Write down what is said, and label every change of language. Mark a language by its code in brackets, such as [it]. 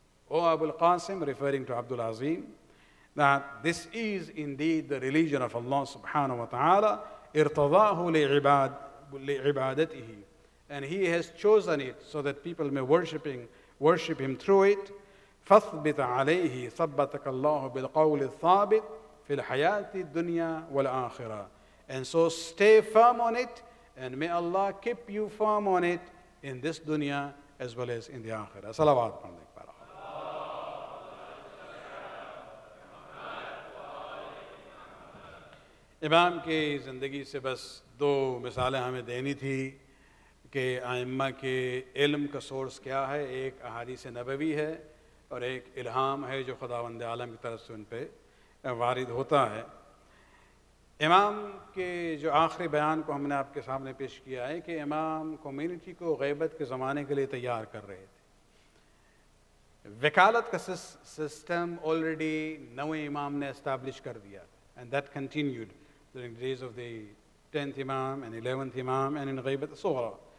[en] O Abul Qasim, referring to Abdul Azim, that this is indeed the religion of Allah subhanahu wa ta'ala, [ar] irtadahu li'ibad, [en] and he has chosen it so that people may worship him through it. [ar] فثبت عليه ثبتك الله بالقول الثابت في الحياة الدنيا والآخرة. [en] And so stay firm on it, and may Allah keep you firm on it in this dunya as well as in the akhirah. Salawat. [ur] امام کے زندگی سے بس دو مثالیں ہمیں دینی تھی کہ ائمہ کے علم کا سورس کیا ہے. ایک احادیث نبوی ہے اور ایک الہام ہے جو خداوند عالم کی طرف سے ان پہ وارد ہوتا ہے. امام کے جو آخری بیان کو ہم نے آپ کے سامنے پیش کیا ہے کہ امام کمیونٹی کو غیبت کے زمانے کے لیے تیار کر رہے تھے. وکالت کا سسٹم آلریڈی نوے امام نے اسٹیبلش کر دیا, [en] and that continued during the days of the 10th Imam and 11th Imam and in Ghaybat Sughra.